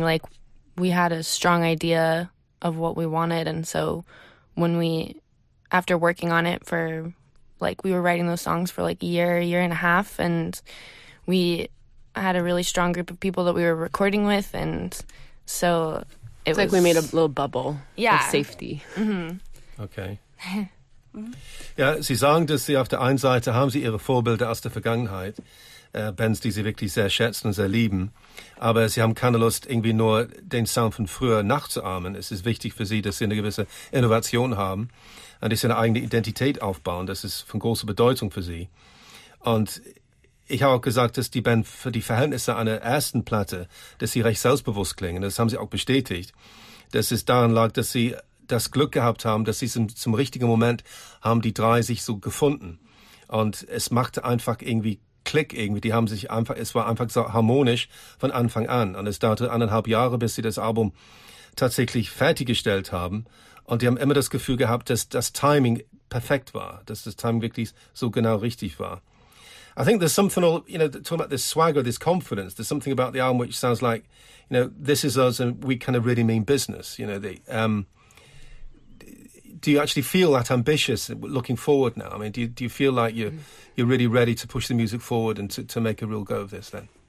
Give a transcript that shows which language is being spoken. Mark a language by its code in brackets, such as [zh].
[en] Like, we had a strong idea of what we wanted, and so when we, after working on it for, like, we were writing those songs for, like, a year and a half, and we had a really strong group of people that we were recording with, and so it's like we made a little bubble of safety. Mm-hmm. Okay. [de] Sie sagen, dass Sie auf der einen Seite haben Sie Ihre Vorbilder aus der Vergangenheit, Bands, die Sie wirklich sehr schätzen und sehr lieben, aber Sie haben keine Lust, irgendwie nur den Sound von früher nachzuahmen. Es ist wichtig für Sie, dass Sie eine gewisse Innovation haben, und dass Sie eine eigene Identität aufbauen. Das ist von großer Bedeutung für Sie. Und ich habe auch gesagt, dass die Band für die Verhältnisse einer ersten Platte, dass sie recht selbstbewusst klingen. Das haben Sie auch bestätigt. Dass es daran lag, dass Sie das Glück gehabt haben, dass Sie zum richtigen Moment haben die drei sich so gefunden. Und es machte einfach irgendwie Klick irgendwie. Die haben sich einfach, es war einfach so harmonisch von Anfang an. Und es dauerte 1,5 Jahre, bis Sie das Album tatsächlich fertiggestellt haben. Und die haben immer das Gefühl gehabt, dass das Timing perfekt war, dass das Timing wirklich so genau richtig war. [en] I think there's something, you know, talking about this swagger, this confidence, there's something about the album which sounds like, you know, this is us and we kind of really mean business, you know. Do you actually feel that ambitious looking forward now? I mean, do you feel like you're really ready to push the music forward and to make a real go of this then?